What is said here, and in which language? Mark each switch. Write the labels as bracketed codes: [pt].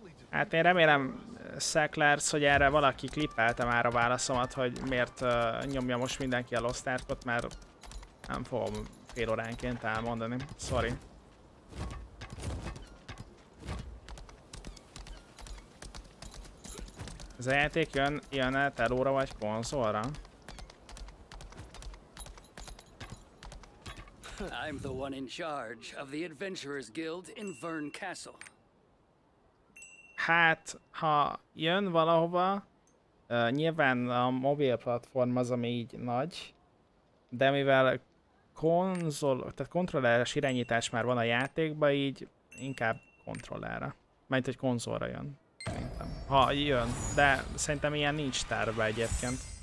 [hu] Hát én remélem, Szeklersz, hogy erre valaki klippelte már a válaszomat, hogy miért nyomja most mindenki a Lost Ark-ot, mert nem fogom fél óránként elmondani. Sorry. Ez a játék jön-e telóra vagy konzolra? [en] I'm the one in charge of the Adventurers Guild in Verne Castle. [hu] Hát, ha jön valahova, nyilván a mobil platform az, ami így nagy, de mivel konzol, tehát kontrolleres irányítás már van a játékban, így inkább kontrollára. Mert hogy konzolra jön, szerintem. Ha jön, de szerintem ilyen nincs tárva egyébként.